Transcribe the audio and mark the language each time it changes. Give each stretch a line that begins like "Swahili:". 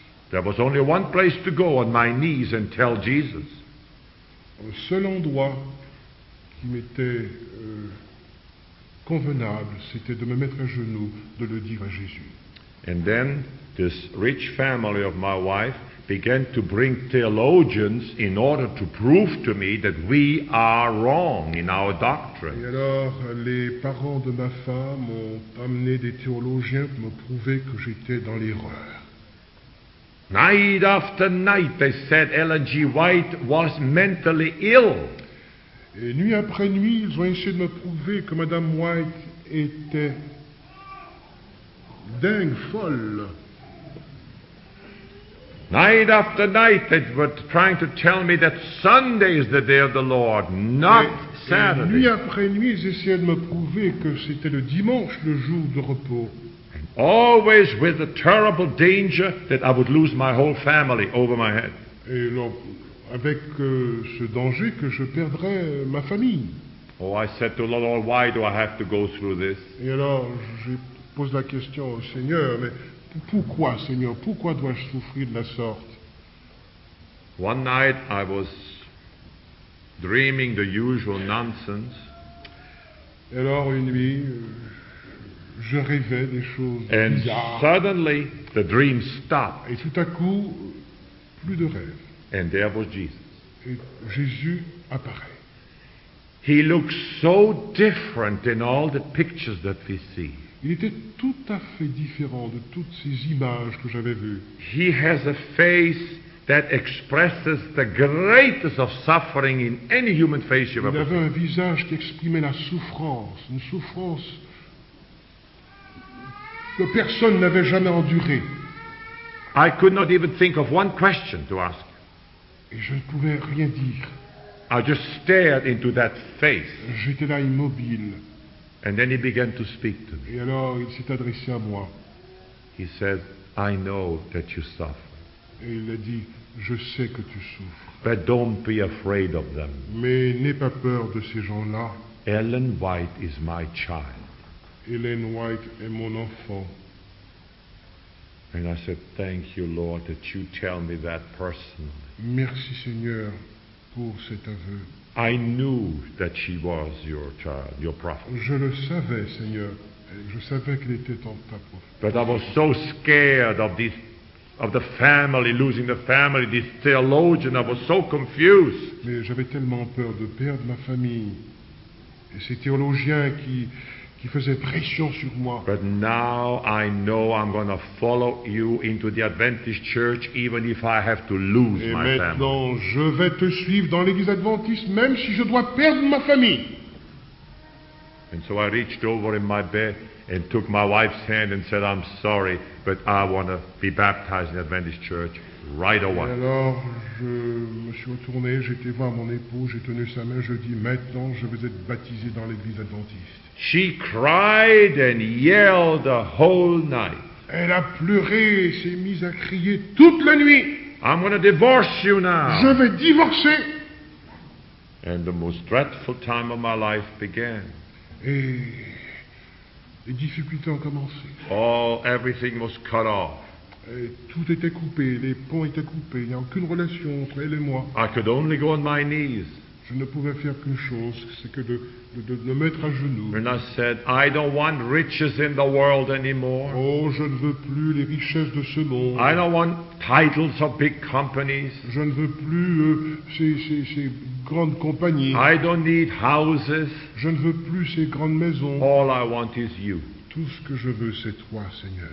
English: There was only one place to go on my knees and tell Jesus.
French: Le seul endroit qui m'était convenable, c'était de me mettre à genoux, de le dire à Jésus.
English: And then this rich family of my wife began to bring theologians in order to prove to me that we are wrong in our doctrine.
French: Et alors, les parents de ma femme ont amené des théologiens pour me prouver que j'étais dans l'erreur.
English: Night after night, they said Ellen G. White was mentally ill.
French: Et nuit après nuit, ils ont essayé de me prouver que Madame White était dingue, folle.
English: Night after night, they were trying to tell me that Sunday is the day of the Lord, not Saturday.
French: Et nuit après nuit, ils essayaient de me prouver que c'était le dimanche, le jour de repos.
English: And always with the terrible danger that I would lose my whole family over my head.
French: Et alors, avec ce danger que je perdrais ma famille.
English: Oh, I said to the Lord, why do I have to go through this?
French: Et alors, j'ai posé la question au Seigneur, mais pourquoi, Seigneur, pourquoi dois-je souffrir de la sorte?
English: One night, I was dreaming the usual nonsense.
French: Et alors, une nuit, je rêvais des choses
English: and
French: bizarres.
English: Suddenly, the dream stopped.
French: Et tout à coup, plus de rêve.
English: And there was Jesus.
French: Et Jésus apparaît.
English: He looks so different in all the pictures that we see.
French: Il était tout à fait différent de toutes ces images que j'avais vues.
English: He has a face that expresses the greatest of suffering in any human face you've ever seen.
French: Il avait un visage qui exprimait la souffrance, une souffrance que personne n'avait jamais endurée.
English: I could not even think of one question to ask.
French: Et je ne pouvais rien dire.
English: I just stared into that face.
French: J'étais là immobile.
English: And then he began to speak to me.
French: Et alors il s'est adressé à moi.
English: He said, I know that you suffer.
French: Et il a dit, je sais que tu souffres.
English: But don't be afraid of them.
French: Mais n'aie pas peur de ces gens-là.
English: Ellen White is my child.
French: Ellen White est mon enfant.
English: And I said, thank you, Lord, that you tell me that personally.
French: Merci, Seigneur, pour cet aveu.
English: I knew that she was your child, your prophet.
French: Je le savais, Seigneur. Je savais qu'elle était en ta prophète.
English: But I was so scared of the family, losing the family, this theologian. I was so confused.
French: Mais j'avais tellement peur de perdre ma famille et ces théologiens qui faisaient pression sur moi.
English: But now I know I'm going to follow you into the Adventist Church even if I have to lose
French: et
English: my
French: maintenant, Et maintenant, je vais te suivre dans l'église adventiste même si je dois perdre ma famille.
English: And so I reached over in my bed and took my wife's hand and said, I'm sorry, but I want to be baptized in the Adventist Church. right away.
French: Et alors, je me suis retourné, j'étais voir mon épouse, j'ai tenu sa main, je dis, maintenant, je vais être baptisé dans l'église adventiste.
English: She cried and yelled the whole night.
French: Elle a pleuré et s'est mise à crier toute la nuit.
English: I'm going to divorce you now.
French: Je vais divorcer.
English: And the most dreadful time of my life began.
French: Et les difficultés ont commencé.
English: Oh, everything was cut off.
French: Et tout était coupé, les ponts étaient coupés, il n'y a aucune relation entre elle et moi.
English: I could only go on my knees.
French: Je ne pouvais faire qu'une chose, c'est que de me mettre à genoux.
English: And I said, I don't want riches in the world anymore.
French: Oh, je ne veux plus les richesses de ce monde.
English: I don't want titles of big companies.
French: Je ne veux plus ces grandes compagnies.
English: I don't need houses.
French: Je ne veux plus ces grandes maisons.
English: All I want is you.
French: Tout ce que je veux, c'est toi, Seigneur.